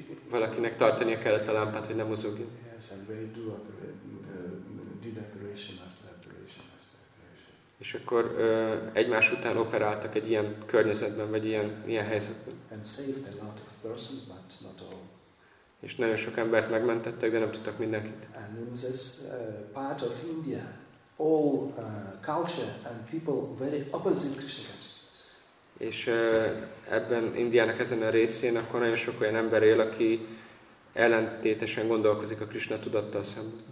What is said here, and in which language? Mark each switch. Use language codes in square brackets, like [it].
[hu] Valakinek tartania kellett a lámpát, hogy ne mozogjon. [en] Yes, and they do did operation after operation after operation. [hu] És akkor egymás után operáltak egy ilyen környezetben, vagy ilyen helyzetben. [en] And saved a lot of persons, but not all. [hu] És nagyon sok embert megmentettek, de nem tudtak mindenkit. [en] And in this part of India, all culture and people very opposite Krishna consciousness. [hu] És ebben Indiának ezen a részén akkor nagyon sok olyan ember él, aki ellentétesen gondolkozik a Krishna tudattal szemben.